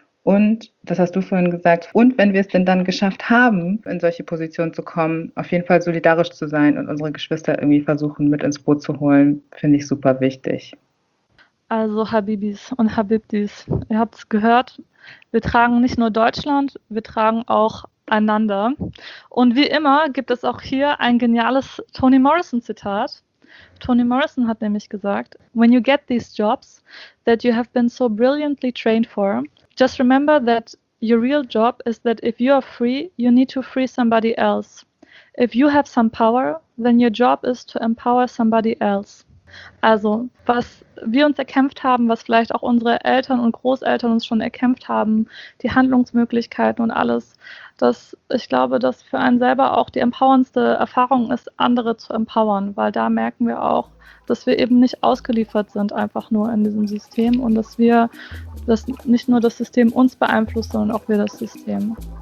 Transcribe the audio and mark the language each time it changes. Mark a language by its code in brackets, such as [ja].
[de] Und das hast du vorhin gesagt. Und wenn wir es denn dann geschafft haben, in solche Positionen zu kommen, auf jeden Fall solidarisch zu sein und unsere Geschwister irgendwie versuchen, mit ins Boot zu holen, finde ich super wichtig. Also Habibis und Habibdis, ihr habt es gehört, wir tragen nicht nur Deutschland, wir tragen auch einander. Und wie immer gibt es auch hier ein geniales Toni Morrison-Zitat. [en] Toni Morrison [de] hat nämlich gesagt, [en] "When you get these jobs that you have been so brilliantly trained for, just remember that your real job is that if you are free, you need to free somebody else. If you have some power, then your job is to empower somebody else." [de] Also, was wir uns erkämpft haben, was vielleicht auch unsere Eltern und Großeltern uns schon erkämpft haben, die Handlungsmöglichkeiten und alles, dass ich glaube, dass für einen selber auch die empowerndste Erfahrung ist, andere zu empowern, weil da merken wir auch, dass wir eben nicht ausgeliefert sind, einfach nur in diesem System, und dass wir, dass nicht nur das System uns beeinflusst, sondern auch wir das System.